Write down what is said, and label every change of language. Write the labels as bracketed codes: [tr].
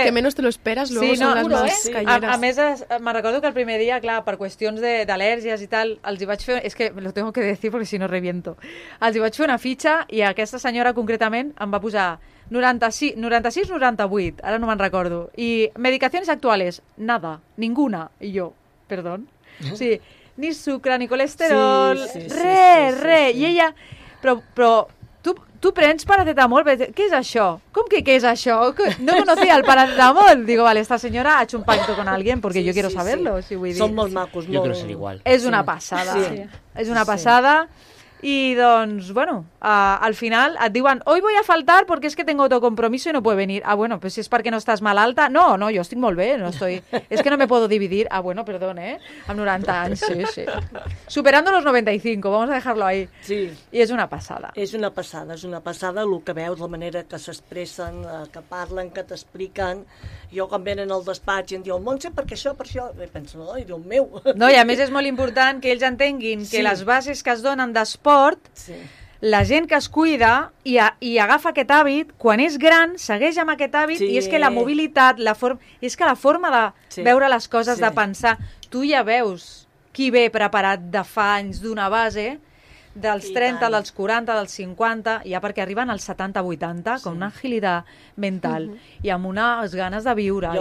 [ca] Les que menys [es] te lo esperes, luego [ca] sí, no, són les no, més calleres. A més, me'n recordo que el primer dia, clar, per qüestions d'al·lèrgies i tal, els hi vaig fer... [es] És que lo tengo que decir porque si no reviento. [ca] Els hi vaig fer una fitxa i aquesta senyora concretament em va posar 96, 98, ara no me'n recordo. I medicacions actuals, [es] nada, ninguna. [ca] I jo, perdón. Sí, ni sucre, ni colesterol, res. I ella, però tu prens paracetamol? Què és això? Com que què és això? [es] No conocía el paracetamol. Digo, vale, esta senyora ha hecho un pacto con alguien porque yo quiero saberlo. [ca] Sí. Si vull dir. Són molt macos. Jo crec que és igual. És una passada. És una passada. I doncs, bueno, al final et diuen, [es] hoy voy a faltar porque es que tengo otro compromiso y no puedo venir. Ah, bueno, pues si es [ca] perquè no estàs malalta. [es] No, yo estoy [ca] molt bé, [es] no estoy... Es que no me puedo dividir. Ah, bueno, perdón, [ca] amb 90 anys, [es] sí. Superando los 95, vamos a dejarlo ahí. Sí. [ca] I és una passada. És una passada el que veus, la manera que s'expressen, que parlen, que t'expliquen. Jo quan venen al despatx i em diuen, Montse, per això, i penso, oi, Déu meu. No, i a més és molt important que ells entenguin que les bases que es donen d'esport, la gent que es cuida i agafa aquest hàbit, quan és gran, segueix amb aquest hàbit, i és que la mobilitat, és que la forma de veure les coses, de pensar, tu ja veus qui ve preparat de fa anys d'una base, dels 30, dels 40, dels 50, ja perquè arriben als 70-80, com una agilitat mental, i amb unes ganes de viure.